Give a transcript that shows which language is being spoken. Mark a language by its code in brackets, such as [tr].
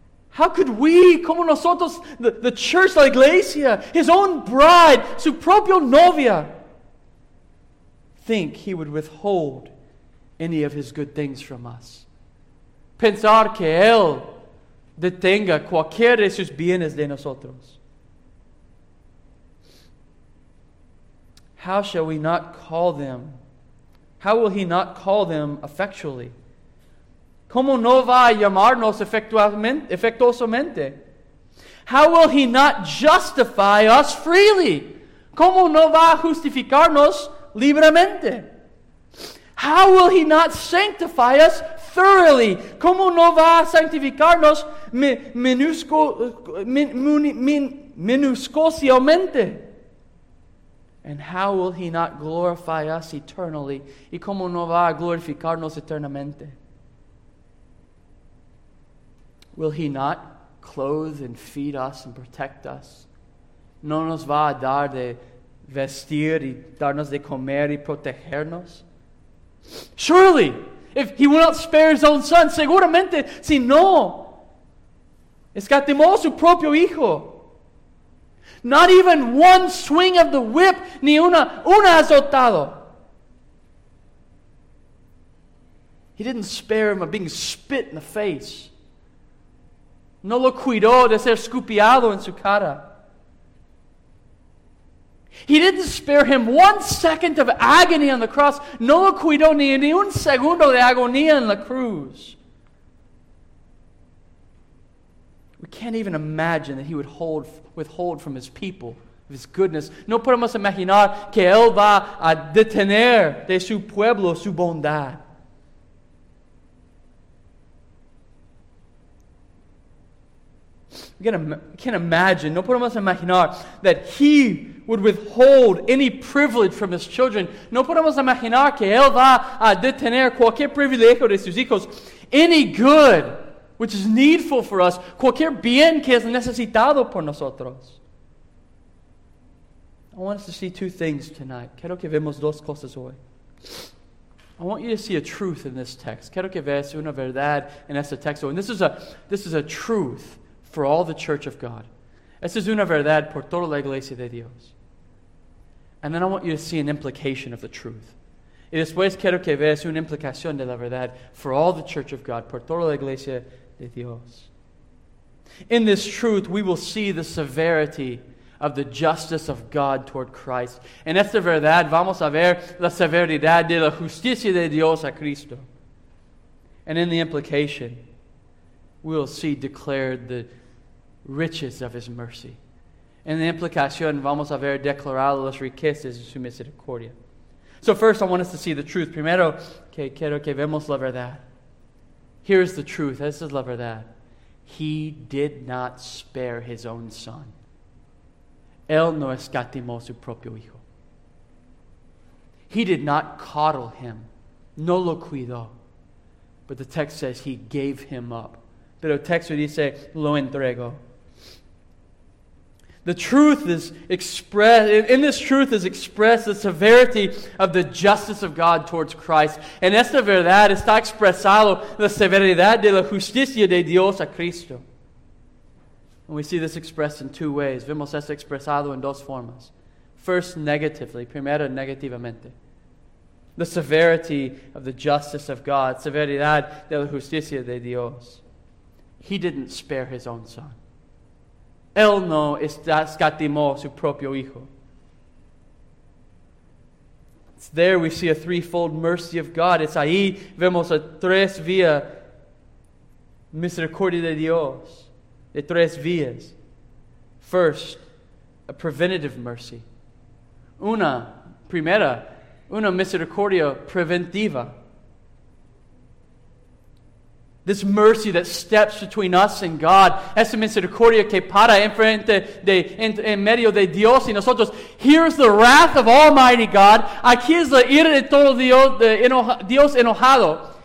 [en] How could we, [es] como nosotros, [en] the church, [es] la iglesia, [en] his own bride, [es] su propio novia, [en] think he would withhold any of his good things from us? [es] Pensar que él detenga cualquier de sus bienes de nosotros. [en] How shall we not call them? How will he not call them effectually? [es] ¿Cómo no va a llamarnos efectuosamente? [en] How will he not justify us freely? [es] ¿Cómo no va a justificarnos libremente? [en] How will he not sanctify us thoroughly? [es] ¿Cómo no va a sanctificarnos minuciosamente? [en] And how will he not glorify us eternally? [es] ¿Y cómo no va a glorificarnos eternamente? [en] Will he not clothe and feed us and protect us? [es] ¿No nos va a dar de vestir y darnos de comer y protegernos? [en] Surely, if he will not spare his own son, [es] seguramente, si no, escatimó su propio hijo. [en] Not even one swing of the whip, [es] ni una azotado. [en] He didn't spare him of being spit in the face. [es] No lo cuidó de ser escupiado en su cara. [en] He didn't spare him one second of agony on the cross. [es] No lo cuidó ni un segundo de agonía en la cruz. [en] We can't even imagine that he would withhold from his people, of his goodness. [es] No podemos imaginar que él va a detener de su pueblo su bondad. [en] We can't imagine, [es] no podemos imaginar [en] that he would withhold any privilege from his children. [es] No podemos imaginar que él va a detener cualquier privilegio de sus hijos. [en] Any good which is needful for us. [es] Cualquier bien que es necesitado por nosotros. [en] I want us to see two things tonight. [es] Quiero que vemos dos cosas hoy. [en] I want you to see a truth in this text. [es] Quiero que veas una verdad en este texto. [en] And this is a truth for all the church of God. [es] Esta es una verdad por toda la iglesia de Dios. [en] And then I want you to see an implication of the truth. [es] Y después quiero que veas una implicación de la verdad [en] for all the church of God, [es] por toda la iglesia de Dios. [en] In this truth, we will see the severity of the justice of God toward Christ. [es] En esta verdad, vamos a ver la severidad de la justicia de Dios a Cristo. [en] And in the implication, we will see declared the riches of his mercy. [es] En la implicación, vamos a ver declarado las riquezas de su misericordia. [en] So first, I want us to see the truth. [es] Primero, que quiero que vemos la verdad. [en] Here's the truth. This is [es] la verdad. [en] He did not spare his own son. [es] Él no escatimó su propio hijo. [en] He did not coddle him. [es] No lo cuidó. [en] But the text says he gave him up. [es] Pero el texto dice, lo entrego. [en] The truth is expressed, in this truth is expressed the severity of the justice of God towards Christ. [es] En esta verdad está expresado la severidad de la justicia de Dios a Cristo. [en] And we see this expressed in two ways. [es] Vemos esto expresado en dos formas. [en] First, negatively. [es] Primero, negativamente. [en] The severity of the justice of God. [es] Severidad de la justicia de Dios. [en] He didn't spare his own son. [es] Él no escatimó su propio hijo. [en] It's there we see a threefold mercy of God. [es] Es ahí vemos a tres vía misericordia de Dios de tres vías. [en] First, a preventative mercy. [es] Una misericordia preventiva. [en] This mercy that steps between us and God. [es] Esa misericordia que para enfrente de, en medio de Dios y nosotros. [en] Here's the wrath of Almighty God. [es] Aquí es la ira de todo Dios, Dios enojado.